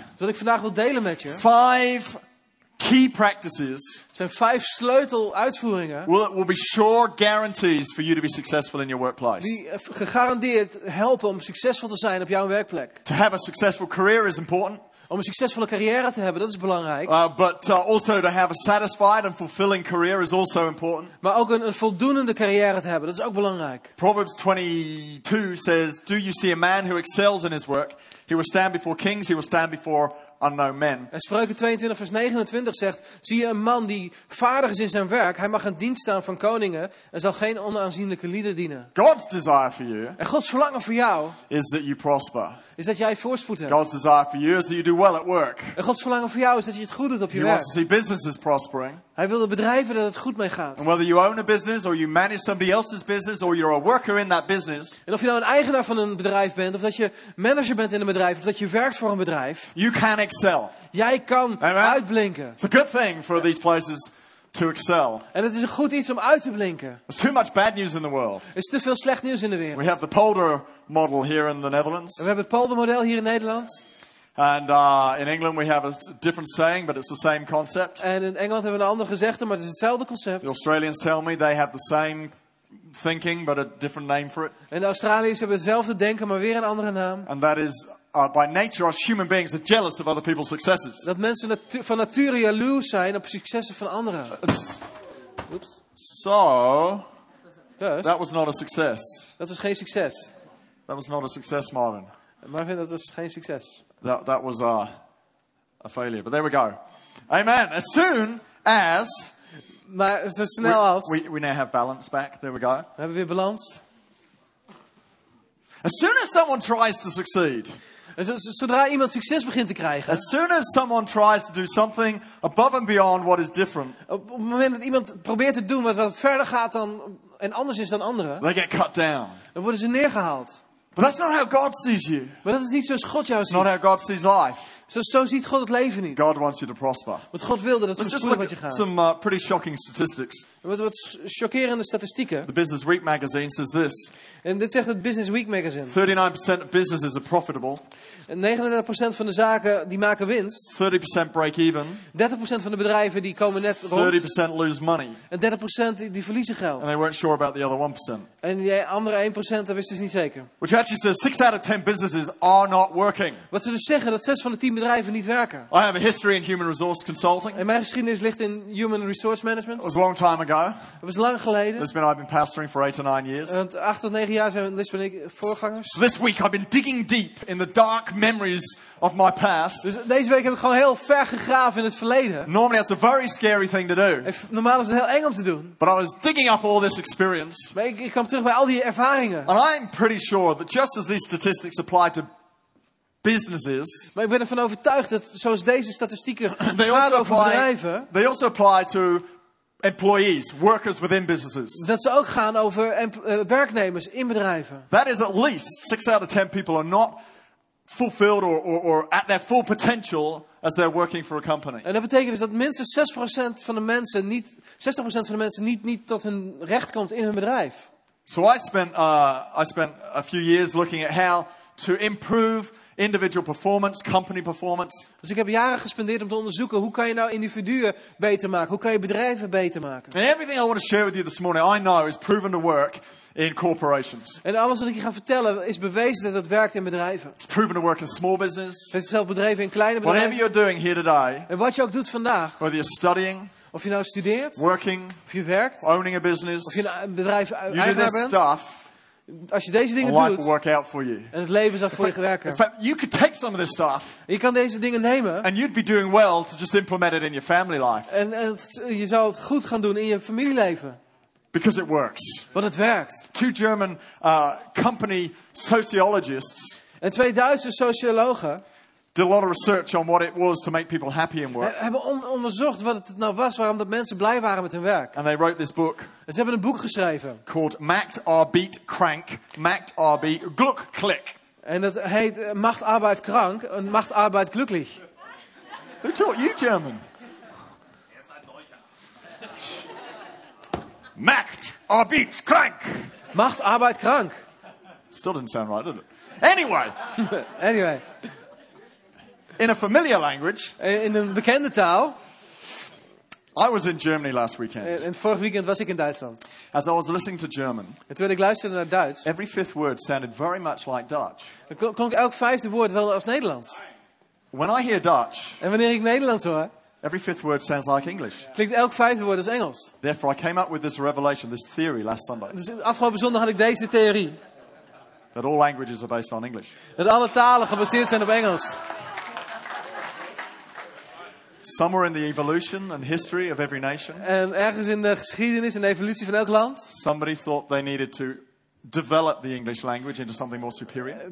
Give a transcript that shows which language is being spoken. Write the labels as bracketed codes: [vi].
[nl] Wat ik vandaag wil delen met je. [en] 5 key practices. [nl] Zijn 5 sleuteluitvoeringen. [en] Will be sure guarantees for you to be successful in your workplace. [nl] Die gegarandeerd helpen om succesvol te zijn op jouw werkplek. [en] To have a successful career is important. [nl] Om een succesvolle carrière te hebben, dat is belangrijk. [en] Also to have a satisfied and fulfilling career is also important. [nl] Maar ook een voldoende carrière te hebben, dat is ook belangrijk. [en] Proverbs 22 says, "Do you see a man who excels in his work? He will stand before kings, he will stand before unknown men." [nl] En Spreuken 22 vers 29 zegt: "Zie je een man die vaardig is in zijn werk? Hij mag aan dienst staan van koningen en zal geen onaanzienlijke lieden dienen." [en] God's desire for you. [nl] En Gods verlangen voor jou [en] is that you prosper. [nl] Is dat jij voorspoed hebt. [en] God's desire for you is that you do well at work. [nl] En Gods verlangen voor jou is dat je het goed doet op je [en] He [nl] werk. [en] He wants to see businesses prospering. [nl] Hij wil de bedrijven dat het goed mee gaat. [en] And whether you own a business or you manage somebody else's business or you're a worker in that business. [nl] En of je nou een eigenaar van een bedrijf bent of dat je manager bent in een bedrijf of dat je werkt voor een bedrijf. [en] You can excel. [nl] Jij kan Amen. Uitblinken. [en] It's a good thing for these places to excel. [nl] En het is een goed iets om uit te blinken. [en] There's too much bad news in the world. [nl] Er is te veel slecht nieuws in de wereld. [en] We have the polder model here in the Netherlands. [nl] En we hebben het poldermodel hier in Nederland. [en] And in England we have a different saying, but it's the same concept. [nl] En in Engeland hebben we een ander gezegde, maar het is hetzelfde concept. [en] The Australians tell me they have the same thinking, but a different name for it. [nl] En de Australiërs hebben hetzelfde denken, maar weer een andere naam. [en] And that is by nature, us human beings are jealous of other people's successes. [nl] Dat mensen van nature jaloers zijn op successen van anderen. [en] Oops. So, dus, that was not a success. [nl] Dat was geen succes. [en] That was not a success, Marvin. [nl] Marvin, dat was geen succes. [en] That was a failure. But there we go. Amen. As soon as, [nl] maar zo snel als, [en] we now have balance back. There we go. [nl] We hebben weer balans. [en] As soon as someone tries to succeed. [nl] Zodra iemand succes begint te krijgen. [en] As soon as someone tries to do something above and beyond what is different. [nl] Op het moment dat iemand probeert te doen wat verder gaat dan en anders is dan anderen. [en] They get cut down. [nl] Dan worden ze neergehaald. [en] But that's not how God sees you. [nl] Maar dat is niet zoals God jou ziet. [en] It's not how God sees life. [nl] Zo ziet God het leven niet. [en] God wants you to prosper. [nl] Want God wilde dat het voorspoedig met je gaat. [en] Some pretty shocking statistics. [nl] Wat chockerende statistieken. [en] The Business Week magazine says this. [nl] En dit zegt het Business Week magazine. [en] 39% of businesses are profitable. [nl] 39% van de zaken die maken winst. [en] 30% break even. [nl] 30% van de bedrijven die komen net rond. [en] 30% lose money. [nl] En 30% die verliezen geld. [en] And they weren't sure about the other 1%. [nl] En die andere 1% dat wisten ze niet zeker. [en] Which actually says 6 out of 10 businesses are not working. [nl] Wat ze dus zeggen dat 6 van de 10 bedrijven niet werken. [en] I have a history in human resource consulting. [nl] En mijn geschiedenis ligt in human resource management. [en] It was a long time ago. [nl] Het was lang geleden. [en] I've been pastoring for 8 or 9 years. [nl] Want 8 tot 9 jaar zijn Lisbon en ik voorgangers. [en] So this week I've been digging deep in the dark memories of my past. [nl] Dus deze week heb ik gewoon heel ver gegraven in het verleden. [en] Normally that's a very scary thing to do. [nl] Normaal is het heel eng om te doen. [en] But I was digging up all this experience. [nl] Maar ik kwam terug bij al die ervaringen. [en] And I'm pretty sure that just as these statistics apply to businesses. [nl] Maar ik ben ervan overtuigd dat zoals deze statistieken gaan over bedrijven. [en] They also apply to employees, workers within businesses. [nl] Dat ze ook gaan over werknemers in bedrijven. [en] That is at least 6 out of 10 people are not fulfilled or at their full potential as they're working for a company. [nl] En dat betekent dus dat minstens 6% van de mensen niet 60% van de mensen niet tot hun recht komt in hun bedrijf. [en] So I spent a few years looking at how to improve individual performance, company performance. [nl] Dus ik heb jaren gespendeerd om te onderzoeken hoe kan je nou individuen beter maken? Hoe kan je bedrijven beter maken? [en] And everything I want to share with you this morning, I know is proven to work in corporations. [nl] En alles wat ik je ga vertellen is bewezen dat het werkt in bedrijven. [en] It's proven to work in small business. [nl] Het is zelf bedreven in kleine bedrijven. [en] Whatever you're doing here today. [nl] En wat je ook doet vandaag. [en] Whether you're studying. [nl] Of je nou studeert. [en] Working. [nl] Of je werkt. [en] Owning a business. [nl] Of je een bedrijf eigenaar bent. [en] You do this stuff. [nl] Als je deze dingen [en] life [nl] doet, [en] work out for you. [nl] En het leven zal voor je werken. [en] In fact, you could take some of this stuff. [nl] Je kan deze dingen nemen. [en] And you'd be doing well to just implement it in your family life. [nl] En je zou het goed gaan doen in je familieleven. [en] Because it works. [nl] Want het werkt. [en] Two German company sociologists. [nl] En twee Duitse sociologen. [en] Did a lot of research on what it was to make people happy in work. [nl] Hebben onderzocht wat het nou was waarom dat mensen blij waren met hun werk. [en] And they wrote this book. [nl] En ze hebben een boek geschreven. [en] Called Macht, Arbeit, Krank. [de] Macht, Arbeit, Glück, Klick. [nl] En dat heet Macht, Arbeit, Krank. En Macht, Arbeit, Glücklich. [en] Who taught you German? [de] Macht, Arbeit, Krank. Macht, Arbeit, Krank. [en] Still didn't sound right, did it? Anyway. Anyway. In a familiar language. [nl] In een bekende taal. [en] I was in Germany last weekend. [nl] En vorig weekend was ik in Duitsland. [en] As I was listening to German. [nl] En terwijl ik luisterde naar Duits. [en] Every fifth word sounded very much like Dutch. [nl] Klonk elk vijfde woord wel als Nederlands. [en] When I hear Dutch. [nl] En wanneer ik Nederlands hoor. [en] Every fifth word sounds like English. [nl] Klinkt elk vijfde woord als Engels. [en] Therefore I came up with this revelation, this theory last Sunday. [nl] Dus afgelopen zondag had ik deze theorie. [en] That all languages are based on English. [nl] Dat alle talen gebaseerd zijn op Engels. [en] Somewhere in the evolution and history of every nation. [nl] En ergens in de geschiedenis en evolutie van elk land. [en] Somebody thought they needed to develop the English language into something more superior.